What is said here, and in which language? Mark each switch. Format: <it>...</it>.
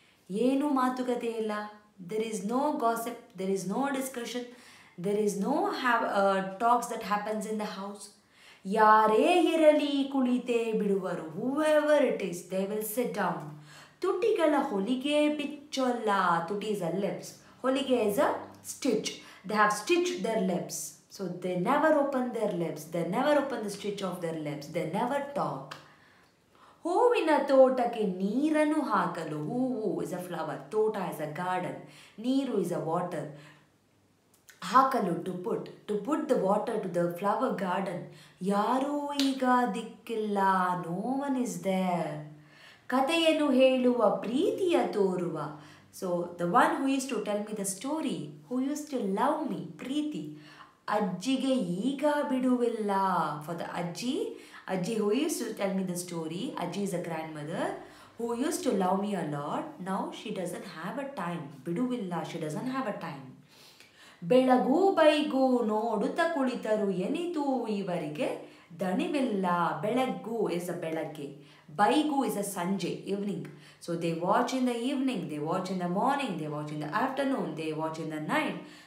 <kn>ಏನೂ ಮಾತುಕತೆ ಇಲ್ಲ.</kn> <en>There is no gossip, there is no discussion, there is no have talks that happens in the house.</en> <kn>ಯಾರೇ ಇರಲಿ ಕುಳಿತೇ ಬಿಡುವರು,</kn> <en>Whoever it is they will sit down.</en> <kn>ತುಟಿಗಳ ಹೊಲಿಗೆ ಬಿಚ್ಚಲ್ಲ,</kn> <en>ತುಟಿ is a lips, ಹೊಲಿಗೆ is a stitch. They have stitched their lips. So they never open their lips. They never open the stitch of their lips. They never talk.</en> <kn>Hovina tota ke neeranu haakalu.</kn> <en>Hoo is a flower. Tota is a garden. Neeru is a water. Haakalu to put the water to the flower garden.</en> <kn>Yaaru iga dikkilla.</kn> <en>No one is there.</en> <kn>Kathayenu heluva preetiya thoruva.</kn> <en>So the one who used to tell me the story, who used to love me, Preeti,</en> <kn>ajjige iga biduvilla.</kn> <en>For the ajji, ajji who used to tell me the story, ajji is a grandmother who used to love me a lot, now she doesn't have a time, biduvilla, she doesn't have a time.</en> <kn>ಬೆಳಗು ಬೈಗು ನೋಡುತ್ತ ಕುಳಿತರು ಎನಿತು ಇವರಿಗೆ ದಣಿವಿಲ್ಲ.</kn> <en>ಬೆಳಗ್ಗು is a ಬೆಳಗ್ಗೆ, ಬೈಗು ಇಸ್ ಅ ಸಂಜೆ evening. So they watch in the evening, they watch in the morning, they watch in the afternoon, they watch in the night.</en>